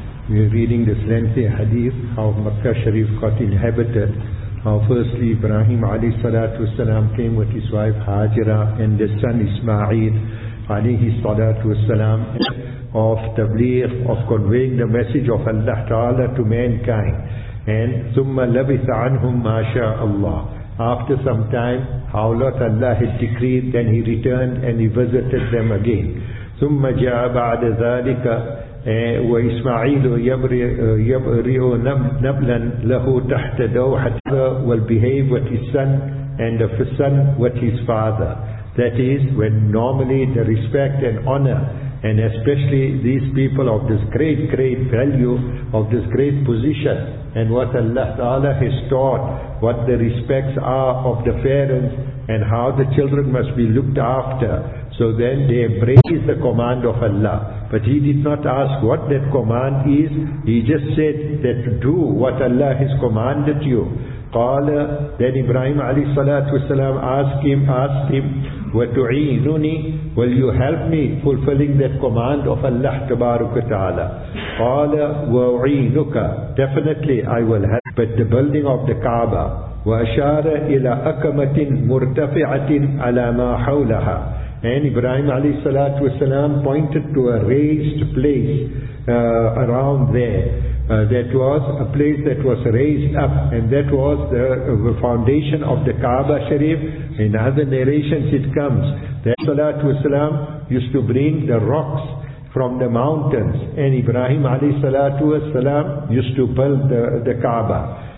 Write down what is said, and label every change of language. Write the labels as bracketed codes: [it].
[en] We are reading this lengthy hadith, how Makkah Sharif got inhabited, how firstly Ibrahim alayhi salatu wasalam came with his wife Hajra and their son Ismail alayhi salatu wasalam, of tabligh, of conveying the message of Allah Ta'ala to mankind. [ar] And ثُمَّ لَبِثَ عَنْهُمْ مَا شَاءَ اللَّهُ. [en] After some time, how Lot Allah had decreed, then he returned and he visited them again. [ar] ثُمَّ جَاءَ بَعْدَ ذَلِكَ وَإِسْمَعِيلُ يَبْرِعُ نَبْلًا لَهُ تَحْتَ دَوْحَةٍ, [en] will behave with his son, and of his son with his father. That is, when normally the respect and honor, and especially these people of this great, great value, of this great position, and what Allah Ta'ala has taught, what the respects are of the parents, and how the children must be looked after. So then they embraced the command of Allah. But he did not ask what that command is. He just said that do what Allah has commanded you. Qala, then Ibrahim alayhi salatu wasalam asked him, وَتُعِينُنِي, will you help me fulfilling that command of Allah tabaraka ta'ala? Qala, وَعِينُكَ, definitely I will help. But the building of the Kaaba, [ar] وَأَشَارَ إِلَىٰ أَكَمَةٍ مُرْتَفِعَةٍ عَلَىٰ مَا حَوْلَهَا. [en] And Ibrahim alayhi salatu wasalam pointed to a raised place around there. That was a place that was raised up, and that was the foundation of the Kaaba Sharif. In other narrations it comes that salatu wasalam used to bring the rocks from the mountains, and Ibrahim alayhi salatu wasalam used to build the Kaaba.